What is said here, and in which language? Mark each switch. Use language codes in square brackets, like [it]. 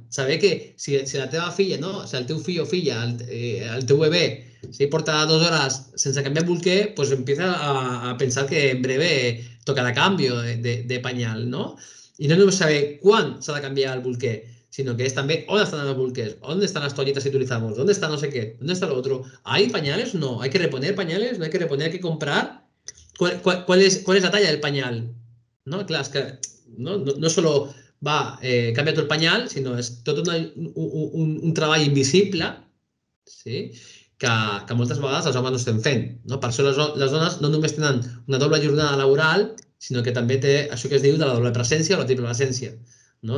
[ca] Saber que si, si la teva filla, no, si el teu fill o filla, el teu bebè, si porta dues hores sense canviar bolquer, [es] pues empieza a pensar que [ca] en breve tocarà canvi de pañal, no? I no només saber quan s'ha de canviar el bolquer, sinó que és també on estan els bolquers, on estan les toalletes que utilitzem, on està no sé què, on està l'altre. [es] Hay pañales? No. Hay que reponer pañales? No hay que reponer, hay que comprar. ¿Cuál es la talla del pañal? [ca] No, clar, és que no, no solo va canviar tot el pañal, sinó és tot un treball invisible, sí? Que moltes vegades els homes no estem fent. No? Per això les dones no només tenen una doble jornada laboral, sinó que també té això que es diu de la doble presència o la triple presència. No?